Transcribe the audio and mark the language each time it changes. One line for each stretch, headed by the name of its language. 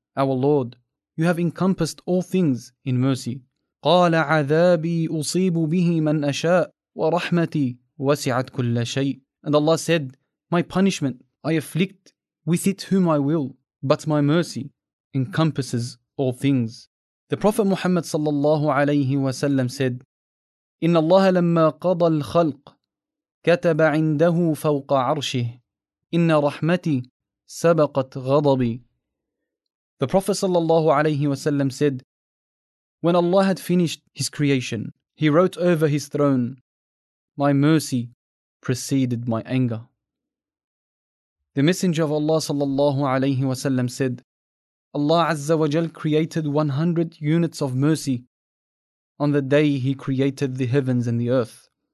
English: Our Lord, You have encompassed all things in mercy.
Arabic: قَالَ عَذَابِي أُصِيبُ بِهِ مَنْ أَشَاءُ وَرَحْمَتِي وَسِعَتْ كُلَّ شَيْءٍ.
English: And Allah said, My punishment, I afflict with it whom I will, but My mercy encompasses all things. The Prophet Muhammad sallallahu alayhi wa sallam said,
Arabic: إِنَّ اللَّهَ لَمَّا قَضَى الْخَلْقِ كَتَبَ عِنْدَهُ فَوْقَ عَرْشِهِ إِنَّ رَحْمَتِي سَبَقَتْ غَضَبِي.
English: The Prophet sallallahu alayhi wa sallam said, When Allah had finished His creation, He wrote over His throne, My mercy preceded My anger. The Messenger of Allah sallallahu alayhi wa sallam said, Allah Azza wa Jal created 100 units of mercy on the day He created the heavens and the earth.